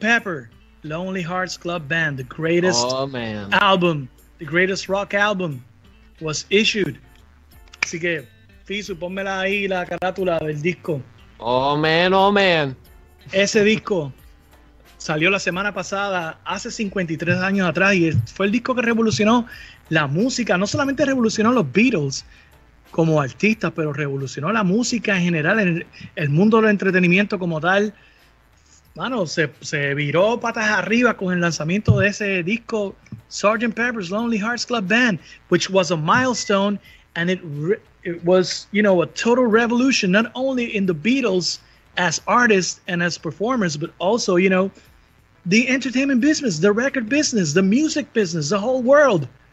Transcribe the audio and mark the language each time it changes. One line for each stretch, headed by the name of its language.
English: Pepper, Lonely Hearts Club Band, the greatest album, the greatest rock album, was issued.
Spanish: Así que, Fisu, pónmela ahí, la carátula del disco.
English: Oh, man.
Spanish: Ese disco salió la semana pasada, hace 53 años atrás, y fue el disco que revolucionó la música. No solamente revolucionó los Beatles como artistas, pero revolucionó la música en general, en el mundo del entretenimiento como tal. Mano, se viró patas arriba con el lanzamiento de ese disco, Sgt.
English: Pepper's Lonely Hearts Club Band, which was a milestone, and it was, you know, a total revolution, not only in the Beatles as artists and as performers, but also, you know, the entertainment business, the record business, the music business, the whole world.